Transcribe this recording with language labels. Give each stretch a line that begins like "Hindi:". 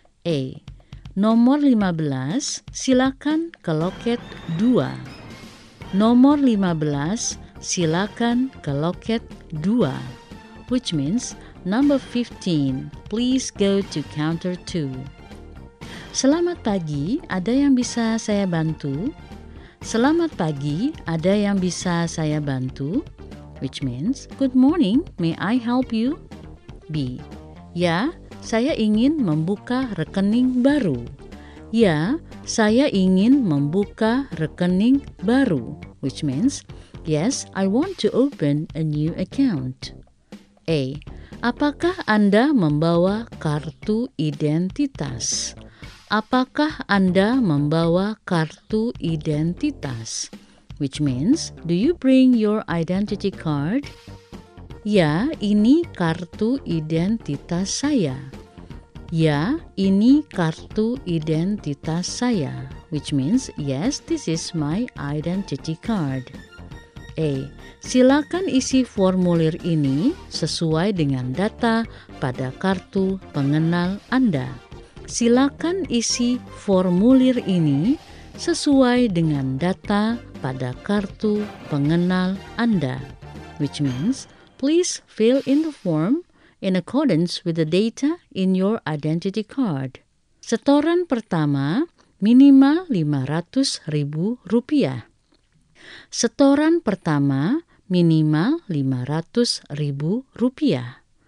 Indonesian: A. Nomor 15, silakan ke loket 2. Nomor 15, silakan ke loket 2.
English: Which means, number 15, please go to counter 2.
Indonesian: Selamat pagi, ada yang bisa saya bantu? Selamat pagi, ada yang bisa saya bantu?
English: Which means, good morning, may I help you? B.
Indonesian: Ya, saya ingin membuka rekening baru. Ya, saya ingin membuka rekening baru.
English: Which means, yes, I want to open a new account.
Indonesian: A. Apakah Anda membawa kartu identitas? Apakah Anda membawa kartu identitas?
English: Which means, do you bring your identity card?
Indonesian: Ya, ini kartu identitas saya. Ya, ini kartu identitas saya.
English: Which means, yes, this is my identity card. A.
Indonesian: Silakan isi formulir ini sesuai dengan data pada kartu pengenal Anda. Silakan isi formulir ini sesuai dengan data pada kartu pengenal Anda.
English: Which means, please fill in the form in accordance with the data in your identity card.
Indonesian: Setoran pertama, minimal Rp500.000. Setoran pertama, minimal Rp500.000.